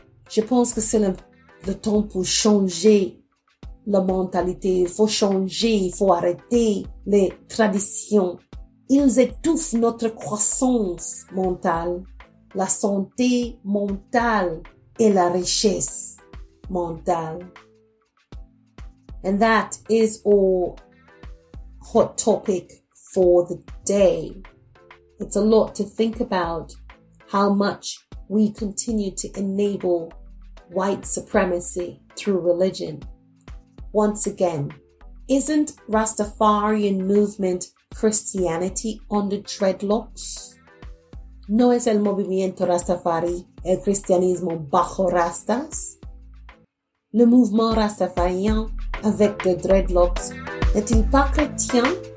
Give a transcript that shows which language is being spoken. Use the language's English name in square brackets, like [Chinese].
[French] Je pense que c'est le temps pour changer la mentalité. Il faut changer, il faut arrêter les traditions. Ils étouffent notre croissance mentale, la santé mentale et la richesse mentale. [English] And that is our hot topic for the day. It's a lot to think about how much we continue to enable white supremacy through religion. Once again, isn't Rastafarian movement Christianity under dreadlocks? [Spanish] ¿No es el movimiento Rastafari el cristianismo bajo rastas? [French] Le mouvement rastafarien avec des dreadlocks n'est-il pas chrétien?